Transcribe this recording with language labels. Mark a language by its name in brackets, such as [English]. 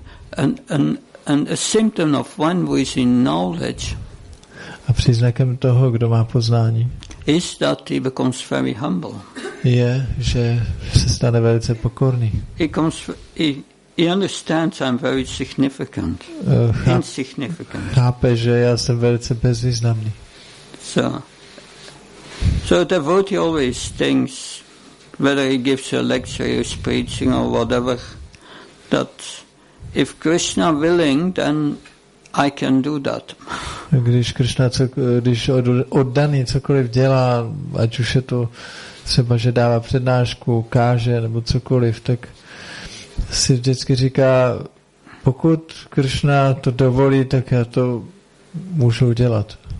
[English] But a symptom of one who is in knowledge. [Czech] A příznakem toho, kdo má poznání. [English] Is that he becomes very humble. [Czech] Je, že se stane velice pokorný. [English] He understands I'm very significant. Insignificant. [Czech] Chápe, že já jsem velice bezvýznamný. [English] So a devotee always thinks, whether he gives a lecture or preaching or whatever, that if Krishna willing, then I can do that. [Czech] Když Krishna, když oddaný cokoliv dělá, ať už je to třeba, že dává přednášku, káže nebo cokoliv, tak si vždycky říká, pokud Krishna to dovolí, tak já to můžu udělat.